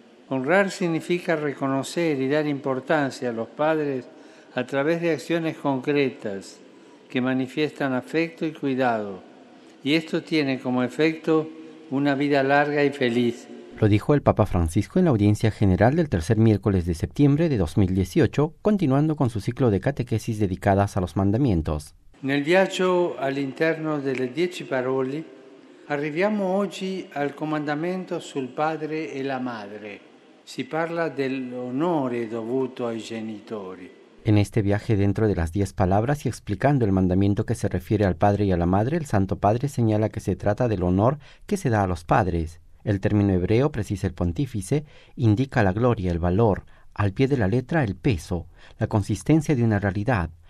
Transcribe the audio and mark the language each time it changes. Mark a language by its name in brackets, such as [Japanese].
[Spanish] Honrar significa reconocer y dar importancia a los padres a través de acciones concretas que manifiestan afecto y cuidado. Y esto tiene como efecto una vida larga y feliz. Lo dijo el Papa Francisco en la audiencia general del tercer miércoles de septiembre de 2018, continuando con su ciclo de catequesis dedicadas a los mandamientos. [Italian] Nel viaggio all'interno delle dieci parole, arriviamo oggi al comandamento sul padre e la madre. Si parla dell'onore dovuto ai genitori. [Spanish] En este viaje dentro de las 10 palabras y explicando el mandamiento que se refiere al padre y a la madre, el Santo Padre señala que se trata del honor que se da a los padres. El término hebreo, precisa el pontífice, indica la gloria, el valor, al pie de la letra el peso, la consistencia de una realidad.